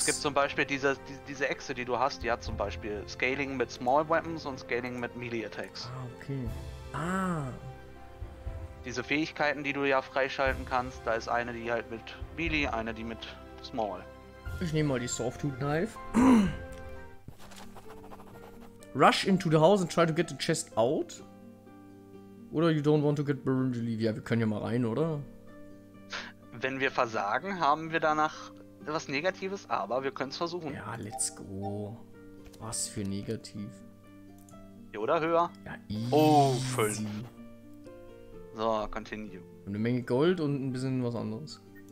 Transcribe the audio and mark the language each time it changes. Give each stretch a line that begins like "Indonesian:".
German: Es gibt zum Beispiel diese Echse, die du hast, die hat zum Beispiel Scaling mit Small Weapons und Scaling mit Melee Attacks. Ah, okay. Ah. Diese Fähigkeiten, die du ja freischalten kannst, da ist eine, die halt mit Melee, eine, die mit Small. Ich nehme mal die Softwood Knife.
English: Rush into the house and try to get the chest out.
German: Oder
English: you don't want to get burned, Olivia.
German: Wir können ja mal rein, oder? Wenn wir versagen, haben wir danach was Negatives, aber wir können es versuchen. Ja,
English: let's go.
German: Was für negativ. Oder höher. Ja, easy.
English: Oh, 5. So, continue.
German: Und eine Menge Gold und ein bisschen was anderes.